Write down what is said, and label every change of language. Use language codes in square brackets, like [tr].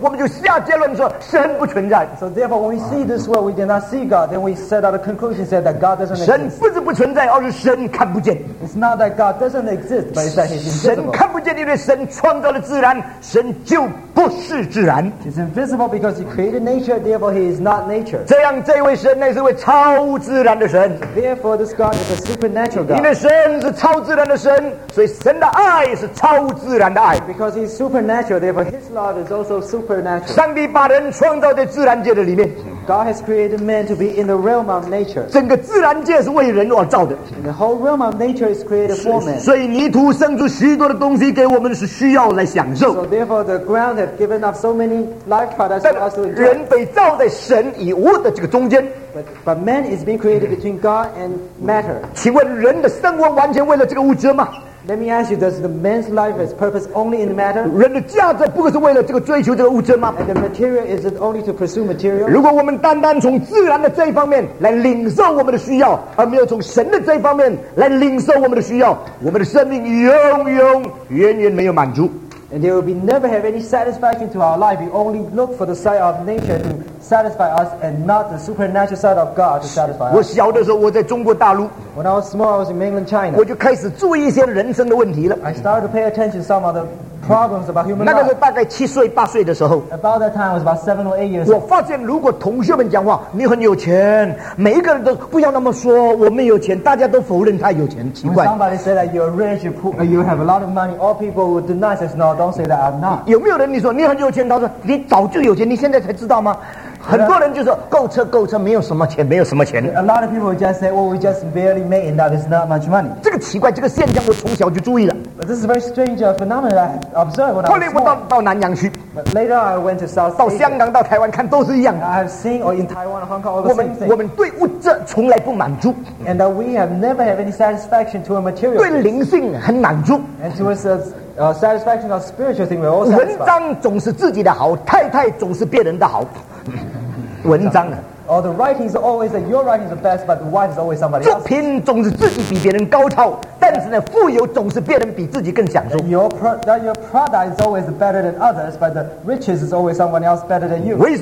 [zh] 照样当我们看见这个世界看不见神的时候我们就下结论说神不存在 [en] So therefore when we see this world we did not see God then we set out a conclusion said that God doesn't exist. [zh] 神不是不存在而是神看不见 [en] It's not that God doesn't exist but it's that he's invisible. [zh] 神看不见因为神创造了自然神就不是自然 [en] He's invisible because he created nature therefore he is not nature. [zh] 这样这位神乃是位超自然的神 [en] Therefore this God is a supernatural God. [zh] 因为神是超自然的神 所以神的爱是超自然的爱 [en] Because he's supernatural therefore his love is also supernatural. [zh] 上帝把人创造在自然界的里面 [en] God has created man to be in the realm of nature. [zh] 整个自然界是为人而造的 [en] And the whole realm of nature is created for man. [zh] 所以泥土生出许多的东西给我们是需要来享受 [en] So therefore the ground has given up so many life products for us to enjoy. [zh] 人被造在神与物的这个中间 [en] But man is being created between God and matter. [zh] 请问人的生活完全为了这个物质吗？ [en] Let me ask you, does the man's life have purpose only in matter? [zh] 人的价值不是为了这个追求这个物质吗？ [en] And the material, is it only to pursue material? [zh] 如果我们单单从自然的这一方面来领受我们的需要，而没有从神的这一方面来领受我们的需要，我们的生命永永远远没有满足。 [en] And there will be never have any satisfaction to our life. We only look for the side of nature to satisfy us and not the supernatural side of God to satisfy us. [zh] 我小的时候我在中国大陆, [en] When I was small, I was in mainland China. [zh] 我就开始注意一些人生的问题了。 [en] I started to pay attention to some of the problems about human life. [zh] 那个时候大概七岁八岁的时候, [en] About that time, I was about 7 or 8 years old. [zh] 我发现如果同学们讲话, 你很有钱, 每一个人都不要那么说, 我没有钱, 大家都否认他有钱, 奇怪。 [en] When somebody said that you're rich, you have a lot of money, all people would deny this, no, don't say that I'm not. [zh] 有没有人你说, 你很有钱, 他说, 你早就有钱, 你现在才知道吗? 很多人就说够车够车没有什么钱没有什么钱 [en] A lot of people just say Well we just barely made enough It's not much money [zh] 这个奇怪这个现象我从小就注意了 [en] But this is a very strange phenomenon I observed when I was small [zh] 后来我到南洋去 [en] But later I went to South Asia [zh] 到香港到台湾看都是一样 [en] I have seen or in Taiwan Hong Kong all the same thing [zh] 我们对物质从来不满足 [en] And that we have never have any satisfaction to a material [zh] 对灵性很满足 [en] And to us satisfaction of spiritual thing we're all satisfied [zh] 文章总是自己的好 太太总是别人的好 文章呢 [en] Or the writing is always that your writing is the best, but the wife is always somebody else. [zh] 作品总是自己比别人高超，但是呢，富有总是别人比自己更享受。 [en] Your product is always better than others, but the riches is always someone else better than you.